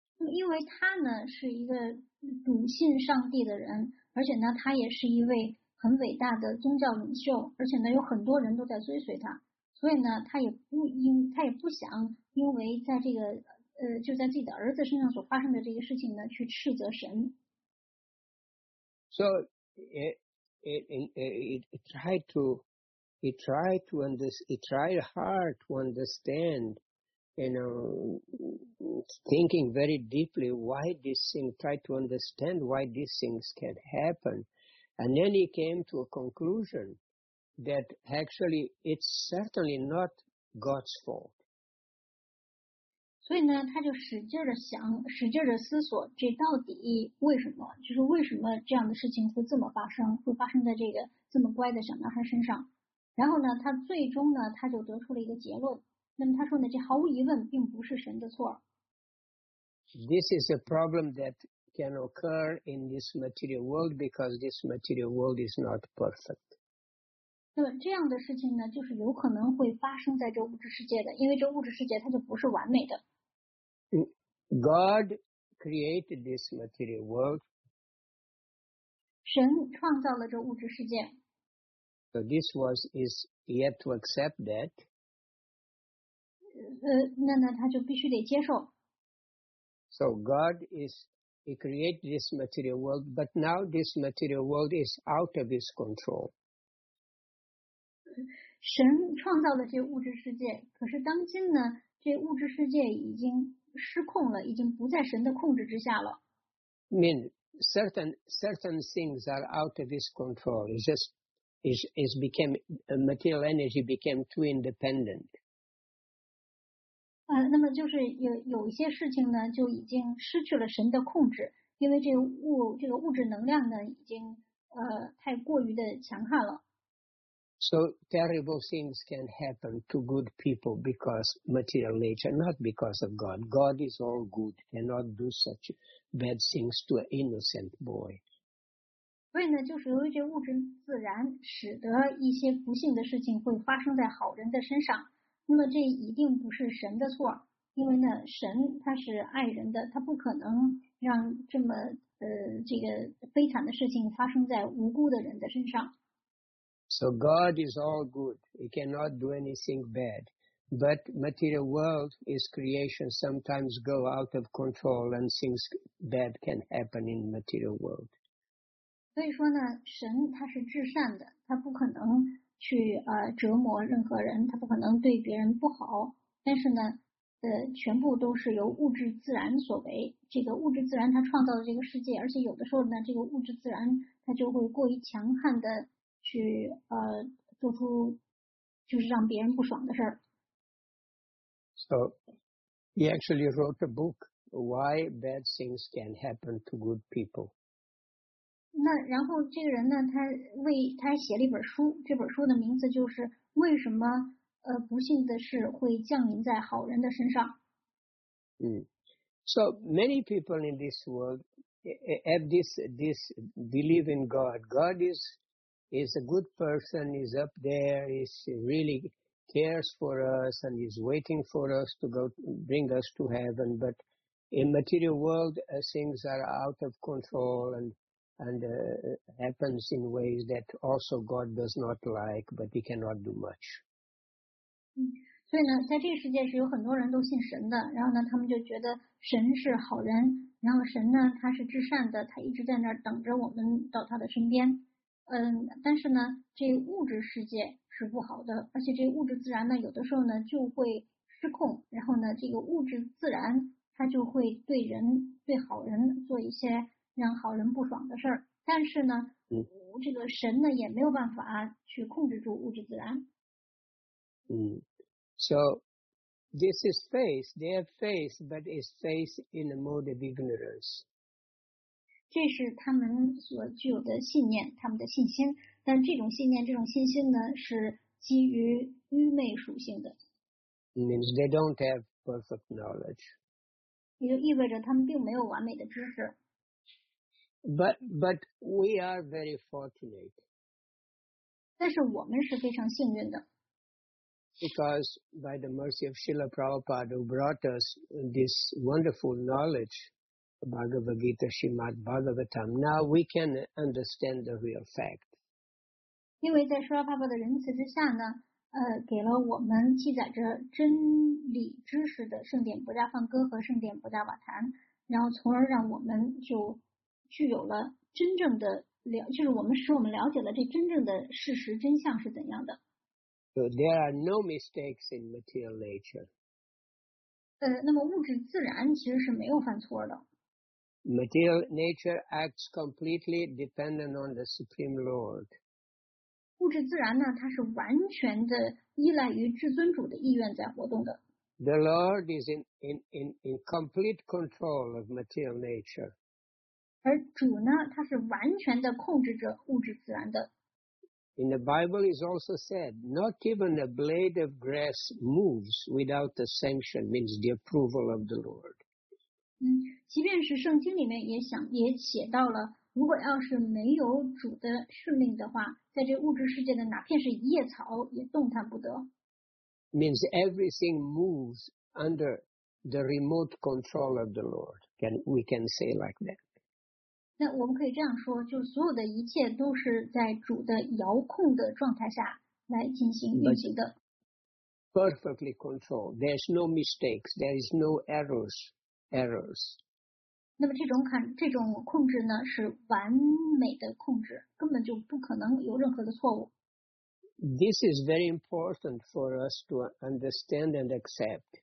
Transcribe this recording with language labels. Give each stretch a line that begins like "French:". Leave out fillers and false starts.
Chinese: 因为他呢是一个笃信上帝的人，而且呢他也是一位很伟大的宗教领袖，而且呢有很多人都在追随他，所以呢他也不想因为在这个就在自己的儿子身上所发生的这个事情呢去斥责神。
English: So he tried hard to understand, you know, thinking very deeply why these things, tried to understand why these things can happen. And then he came to a conclusion that actually it's certainly not God's fault.
Chinese: 所以呢他就使劲的想，使劲的思索这到底为什么，就是为什么这样的事情会这么发生，会发生在这个这么乖的小男孩身上。然后呢他最终呢他就得出了一个结论，那么他说呢，这毫无疑问并不是神的错。
English: This is a problem that can occur in this material world because this material world is not perfect.
Chinese: 那么这样的事情呢就是有可能会发生在这物质世界的，因为这物质世界它就不是完美的。
English: God created this material world.
Chinese: 神创造了这物质世界。
English: So this was, is yet to accept that.
Chinese: 那他就必须得接受。
English: So God is, he created this material world, but now this material world is out of his control.
Chinese: 神创造了这物质世界，可是当今呢，这物质世界已经失控了，已经不在神的控制之下了。
English: I mean, certain things are out of his control. It's just, it's became, material energy became too independent.
Chinese: 那么就是有一些事情呢就已经失去了神的控制，因为这个物质能量呢已经太过于的强悍了。
English: So terrible things can happen to good people because material nature, not because of God. God is all good, cannot do such bad things to an innocent boy.
Chinese: 所以呢就是由于这物质自然使得一些不幸的事情会发生在好人的身上。那么这一定不是神的错，因为呢神他是爱人的，他不可能让这么这个悲惨的事情发生在无辜的人的身上。
English: So God is all good, he cannot do anything bad. But material world is creation, sometimes go out of control and things bad can happen in material world.
Chinese: 所以说呢神他是至善的，他不可能去折磨任何人，他不可能对别人不好，但是呢全部都是由物质自然所为，这个物质自然它创造的这个世界，而且有的时候呢这个物质自然它就会过于强悍的去做出就是让别人不爽的事儿。
English: So he actually wrote a book, Why Bad Things Can Happen to Good People.
Chinese: 那然后这个人呢他写了一本书，这本书的名字就是为什么不幸的事会降临在好人的身上。
English: So many people in this world have this believe in God. God is a good person, is up there, is really cares for us and is waiting for us to go bring us to heaven. But in material world, things are out of control and happens in ways that also God does not like, but he cannot do much.
Chinese: 所以呢在这个世界是有很多人都信神的，然后呢他们就觉得神是好人，然后神呢他是至善的，他一直在那儿等着我们到他的身边。但是呢这物质世界是不好的，而且这物质自然呢有的时候呢就会失控，然后呢这个物质自然它就会对人，对好人做一些让好人不爽的事儿，但是呢，这个神呢也没有办法去控制住物质自然。
English: So This is faith, their faith, but it's faith in a mode of ignorance.
Chinese: 这是他们所具有的信念，他们的信心。但这种信念，这种信心呢，是基于愚昧属性的。
English: It means they don't have perfect knowledge.
Chinese: 也就意味着他们并没有完美的知识。
English: But we are very fortunate.
Chinese: 但是我们是非常幸运的。
English: Because by the mercy of Srila Prabhupada who brought us this wonderful knowledge, Bhagavad Gita, Srimad Bhagavatam, now we can understand the real fact.
Chinese: 因为在Srila Prabhupada的仁慈之下呢，给了我们记载着真理知识的圣典博迦梵歌和圣典博迦瓦坛，然后从而让我们就具有了真正的了，就是我们使我们了解了这真正的事实真相是怎样的。
English: So there are no mistakes in material nature.
Chinese: 那么物质自然其实是没有犯错的。
English: Material nature acts completely dependent on the Supreme Lord.
Chinese: 物质自然呢，它是完全的依赖于至尊主的意愿在活动的。
English: The Lord is in complete control of material nature.
Chinese: 而主呢，他是完全的控制着物质自然的。
English: In the Bible is also said, not even a blade of grass moves without the sanction, means the approval of the Lord.
Chinese: 即便是圣经里面也写到了，如果要是没有主的训令的话，在这物质世界的哪片是一叶草也动弹不得。
English: Means everything moves under the remote control of the Lord. We can say like that.
Chinese: 那我们可以这样说，就所有的一切都是在主的遥控的状态下来进行运行的。
English: Perfectly controlled. There's no mistakes. There is no errors.
Chinese: 那么这种控制呢，是完美的控制，根本就不可能有任何的错误。
English: This is very important for us to understand and accept.